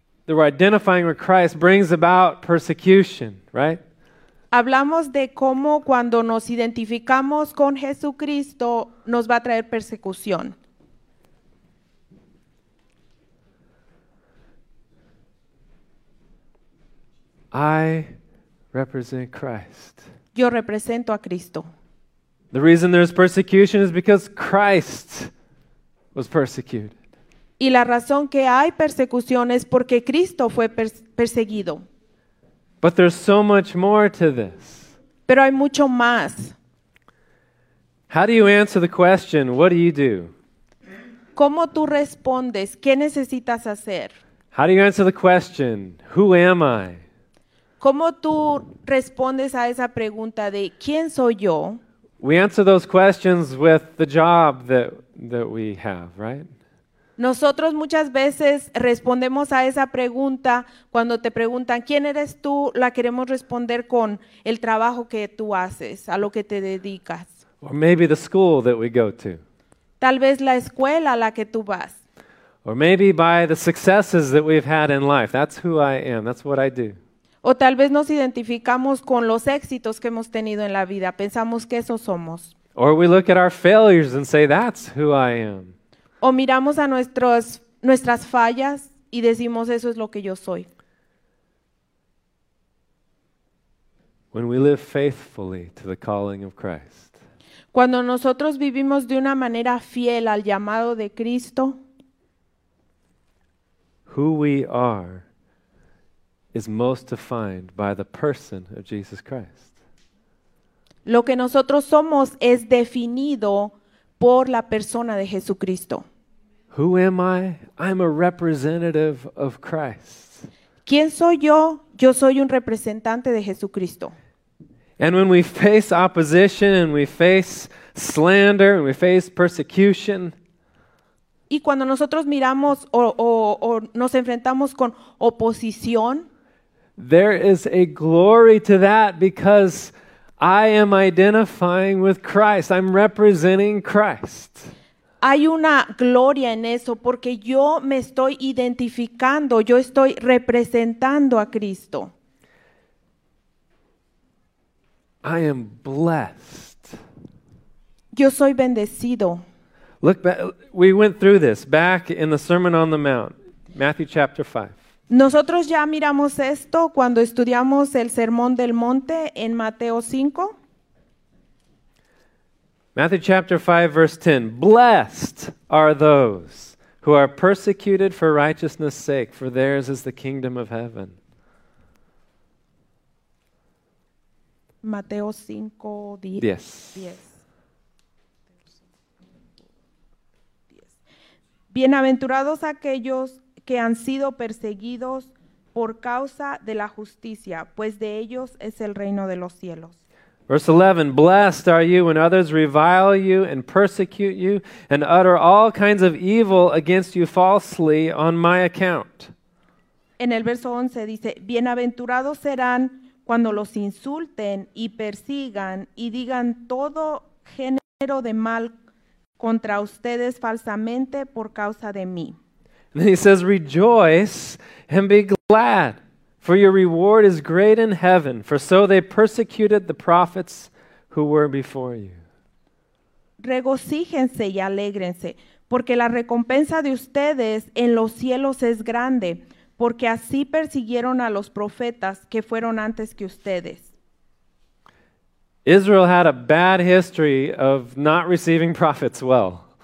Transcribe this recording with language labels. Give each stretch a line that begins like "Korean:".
English: that we're identifying with Christ brings about persecution, right?
Spanish: Hablamos de cómo cuando nos identificamos con Jesucristo nos va a traer persecución.
English: I represent Christ.
Spanish: Yo represento a Cristo.
English: The reason there's persecution is because Christ was persecuted.
Spanish: Y la razón que hay persecución es porque Cristo fue perseguido.
English: But there's so much more to this.
Spanish: Pero hay mucho más.
English: How do you answer the question, what do you do?
Spanish: ¿Cómo tú respondes? ¿Qué necesitas hacer?
English: How do you answer the question, who am I?
Spanish: ¿Cómo tú respondes a esa pregunta de quién soy yo?
English: We answer those questions with the job that we have, right?
Spanish: Nosotros muchas veces respondemos a esa pregunta cuando te preguntan quién eres tú, la queremos responder con el trabajo que tú haces, a lo que te dedicas.
English: Or maybe the school that we go to.
Spanish: Tal vez la escuela a la que tú vas.
English: Or maybe by the successes that we've had in life. That's who I am. That's what I do.
Spanish: O tal vez nos identificamos con los éxitos que hemos tenido en la vida. Pensamos que eso somos.
English: Or we look at our failures and say, that's who I am.
Spanish: O miramos a nuestras fallas y decimos, eso es lo que yo soy.
English: When we live faithfully to the calling of Christ.
Spanish: Cuando nosotros vivimos de una manera fiel al llamado de Cristo,
English: who we are is most defined by the person of Jesus Christ.
Spanish: Lo que nosotros somos es definido por la persona de Jesucristo.
English: Who am I? I'm a representative of Christ.
Spanish: ¿Quién soy yo? Yo soy un representante de Jesucristo.
English: And when we face opposition and we face slander and we face persecution,
Spanish: y cuando nosotros miramos o nos enfrentamos con oposición,
English: there is a glory to that because I am identifying with Christ. I'm representing Christ.
Spanish: Hay una gloria en eso porque yo me estoy identificando, yo estoy representando a Cristo.
English: I am blessed.
Spanish: Yo soy bendecido.
English: Look back, we went through this back in the Sermon on the Mount, Matthew chapter 5.
Spanish: Nosotros ya miramos esto cuando estudiamos el Sermón del Monte en Mateo 5.
English: Matthew chapter 5 verse 10. Blessed are those who are persecuted for righteousness' sake, for theirs is the kingdom of heaven.
Spanish: Mateo 5:10. Bienaventurados aquellos que han sido perseguidos por causa de la justicia, pues de ellos es el reino de los cielos.
English: Verse 11, blessed are you when others revile you and persecute you and utter all kinds of evil against you falsely on my account.
Spanish: En el verso 11 dice, bienaventurados serán cuando los insulten y persigan y digan todo género de mal contra ustedes falsamente por causa de mí.
English: And he says, rejoice and be glad, for your reward is great in heaven, for so they persecuted the prophets who were before you.
Spanish: Regocíjense y alégrense, porque la recompensa de ustedes en los cielos es grande, porque así persiguieron a los profetas que fueron antes que ustedes.
English: Israel had a bad history of not receiving prophets well.